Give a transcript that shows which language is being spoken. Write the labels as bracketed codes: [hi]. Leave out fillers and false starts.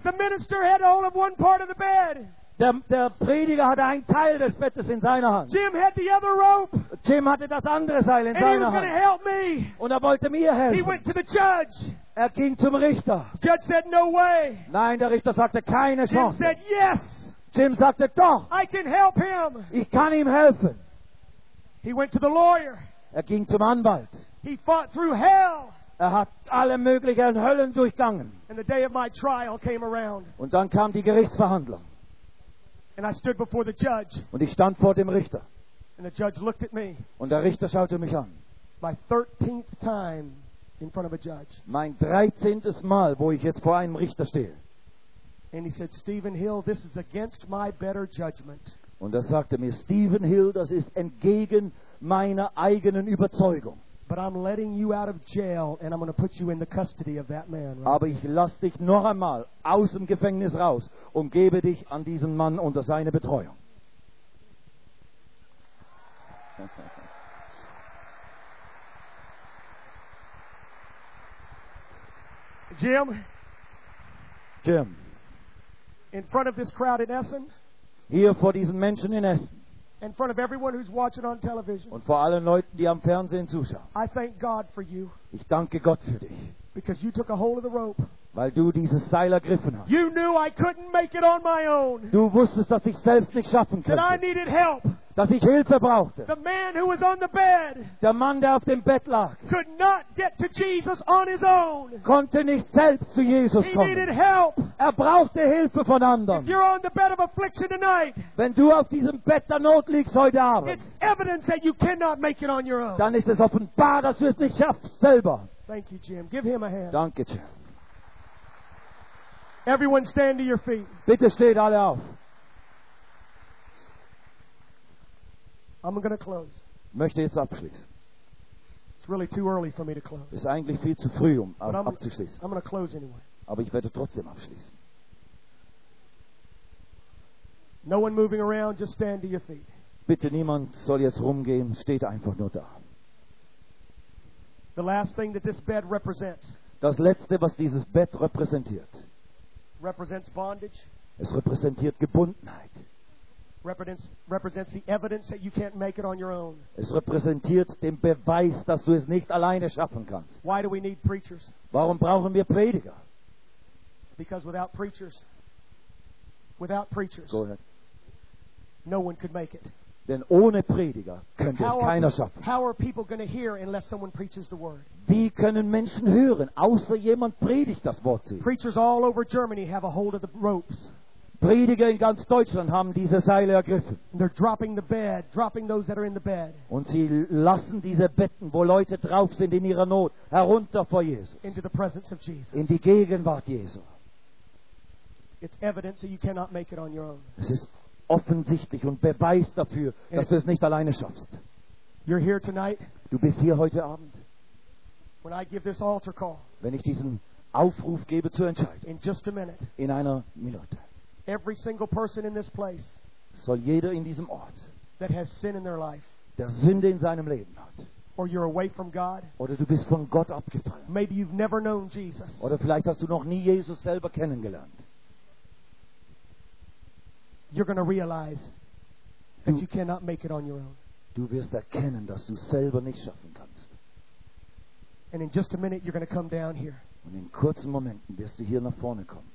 [en] The minister had a hold of one part of the bed. [de] Der Prediger hatte einen Teil des Bettes in seiner Hand. [en] Jim had the other rope. [de] Jim hatte das andere Seil in [en] and [de] seiner [en] he was [de] Hand. [en] Help me. [de] Und er wollte mir helfen. [en] He went to the judge. [de] Er ging zum Richter. [en] The judge said, no way. [de] Nein, der Richter sagte, keine [en] Jim [de] Chance. [en] Jim said, yes. [de] Jim sagte, doch, [en] I can help him. [de] Ich kann ihm helfen. [en] He went to the lawyer. [de] Er ging zum Anwalt. [en] He fought through hell. [de] Er hat alle möglichen Höllen durchgangen. [en] And the day of my trial came around. [de] Und dann kam die Gerichtsverhandlung. [en] And I stood before the judge. [de] Und ich stand vor dem Richter. [en] And the judge looked at me. [de] Und der Richter schaute mich an. [en] My 13th time in front of a judge. [de] Mein 13. Mal, wo ich jetzt vor einem Richter stehe. [en] And he said, "Stephen Hill, this is against my better judgment." [de] Und er sagte mir, Stephen Hill, das ist entgegen meiner eigenen Überzeugung. [en] But I'm letting you out of jail, and I'm going to put you in the custody of that man. Right? [de] Aber ich lasse dich noch einmal aus dem Gefängnis raus und gebe dich an diesen Mann unter seine Betreuung. [en] Jim. In front of this crowd in Essen. [de] Hier vor diesen Menschen in Essen. [en] In front of everyone who's watching on television. [de] Und vor allen Leuten, die am Fernsehen zuschauen. [en] I thank God for you. [de] Ich danke Gott für dich. [en] Because you took a hold of the rope. [de] Weil du dieses Seil ergriffen hast. [en] You knew I couldn't make it on my own. [de] Du wusstest, dass ich selbst nicht schaffen könnte. [en] That I needed help. [de] Dass ich Hilfe brauchte. [en] The man who was on the bed. [de] Der Mann, der auf dem Bett lag. [en] Could not get to Jesus on his own. [de] Konnte nicht selbst zu Jesus [en] he [de] kommen. [en] Needed help. [de] Er brauchte Hilfe von anderen. [en] If you're on the bed of affliction tonight, [de] wenn du auf diesem Bett der Not liegst heute Abend, [en] it's evidence that you cannot make it on your own. [de] Dann ist es offenbar, dass du es nicht schaffst selber. [en] Thank you, Jim. Give him a hand. [de] Danke, Jim. [en] Everyone stand to your feet. [de] Bitte steht alle auf. [en] I'm going to close. [de] Möchte jetzt abschließen. [en] It's really too early for me to close. [de] Ist eigentlich viel zu früh, um abzuschließen. [en] I'm going to close anyway. [de] Aber ich werde trotzdem abschließen. [en] No one moving around, just stand to your feet. [de] Bitte niemand soll jetzt rumgehen, steht einfach nur da. [en] The last thing that this bed represents. [de] Das letzte, was dieses Bett repräsentiert. [en] Represents bondage. [de] Es repräsentiert Gebundenheit. [en] Represents the evidence that you can't make it on your own. [de] Es repräsentiert den Beweis, dass du es nicht alleine schaffen kannst. [en] Why do we need preachers? [de] Warum brauchen wir Prediger? [en] Because without preachers, go ahead. No one could make it. [de] Denn ohne Prediger könnte es keiner schaffen. [en] How are people going to hear unless someone preaches the word? [de] Wie können Menschen hören, außer jemand predigt das Wort zu? [en] Preachers all over Germany have a hold of the ropes. [de] Prediger in ganz Deutschland haben diese Seile ergriffen. [en] They're dropping the bed, dropping those that are in the bed. [de] Und sie lassen diese Betten, wo Leute drauf sind in ihrer Not, herunter vor Jesus. [en] Into the presence of Jesus. [de] In die Gegenwart Jesu. [en] It's evidence that you cannot make it on your own. [de] Es ist offensichtlich und Beweis dafür, [en] and [de] dass du es nicht alleine schaffst. [en] You're here tonight. [de] Du bist hier heute Abend. [en] When I give this altar call. [de] Wenn ich diesen Aufruf gebe zur Entscheidung. [en] In just a minute. [de] In einer Minute. [en] Every single person in this place [de] soll jeder in diesem Ort, [en] that has sin in their life, [de] der Sünde in seinem Leben hat, [en] or you're away from God, [de] oder du bist von Gott abgefallen, [en] maybe you've never known Jesus, [de] oder vielleicht hast du noch nie Jesus selber kennengelernt, [en] you're going to realize that you cannot make it on your own. [de] Du wirst erkennen, dass du selber nicht schaffen kannst. [en] And in just a minute you're going to come down here. [de] Und in kurzen Momenten wirst du hier nach vorne kommen.